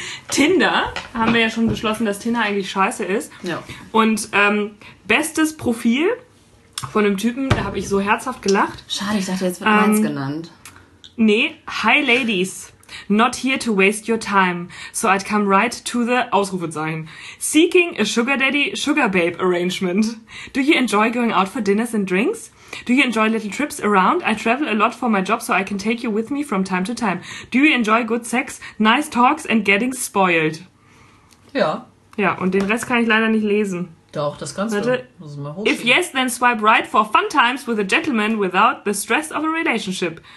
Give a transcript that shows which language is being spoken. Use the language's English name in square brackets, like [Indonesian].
[German] Tinder, haben wir ja schon beschlossen, dass Tinder eigentlich scheiße ist. Ja. Und bestes Profil von einem Typen, da habe ich so herzhaft gelacht. Schade, ich dachte, jetzt wird meins genannt. Nee, [English] Hi Ladies. Not here to waste your time, so I'd come right to the Ausrufezeichen. Seeking a sugar daddy, sugar babe arrangement. Do you enjoy going out for dinners and drinks? Do you enjoy little trips around? I travel a lot for my job, so I can take you with me from time to time. Do you enjoy good sex, nice talks and getting spoiled? [German] Ja. Ja, und den Rest kann ich leider nicht lesen. Doch, das kannst Warte. Du. Muss mal hochschieben. [English] If yes, then swipe right for fun times with a gentleman without the stress of a relationship.